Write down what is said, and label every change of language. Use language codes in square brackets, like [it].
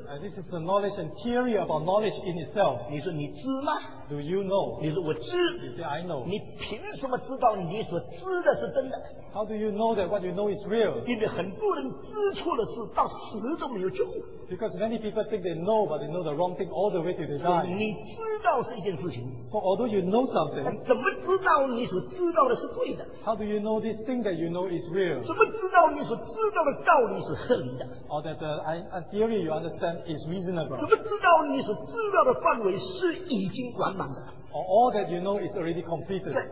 [en] And this is the knowledge and theory about knowledge in itself. [zh] 你说你知吗? [en] Do you know? [zh] 你说我知? [en] You say, I know. [zh] 你凭什么知道你所知的是真的? [en] How do you know that what you know is real? [zh] 因为很多人知错了事到死都没有救。 [en] Because many people think they know, but they know the wrong thing all the way till they die. [zh] 你知道是一件事情, [en] so although you know something, [zh] 怎么知道你所知道的是对的? [en] How do you know this thing that you know is real? [zh] 怎么知道你所知道的道理是合理的? [en] Or that the theory you understand is reasonable? [zh] 怎么知道你所知道的范围是已经完满的? [en] Or all that you know is already completed.